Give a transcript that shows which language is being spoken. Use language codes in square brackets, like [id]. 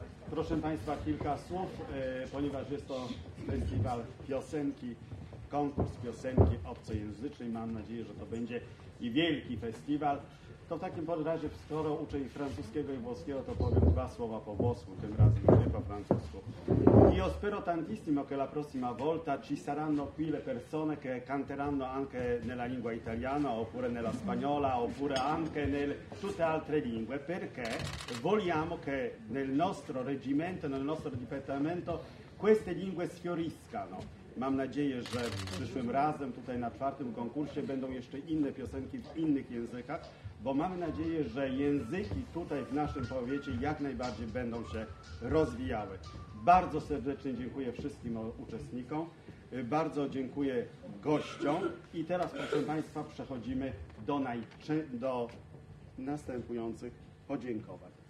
[pl] Proszę Państwa, kilka słów, ponieważ jest to festiwal piosenki, konkurs piosenki obcojęzycznej. Mam nadzieję, że to będzie i wielki festiwal. To w takim razie, skoro uczę ich francuskiego i włoskiego, to powiem dwa słowa po włosku, tym razem nie po francusku. [it] Io spero tantissimo che la prossima volta ci saranno qui le persone che canteranno anche nella lingua italiana, oppure nella spagnola, oppure anche nel tutte altre lingue, perché vogliamo che nel nostro reggimento, nel nostro dipartimento, queste lingue sfioriscano. [pl] Mam nadzieję, że przyszłym razem tutaj na czwartym konkursie będą jeszcze inne piosenki w innych językach, bo mamy nadzieję, że języki tutaj w naszym powiecie jak najbardziej będą się rozwijały. Bardzo serdecznie dziękuję wszystkim uczestnikom, bardzo dziękuję gościom i teraz, proszę Państwa, przechodzimy do następujących podziękowań.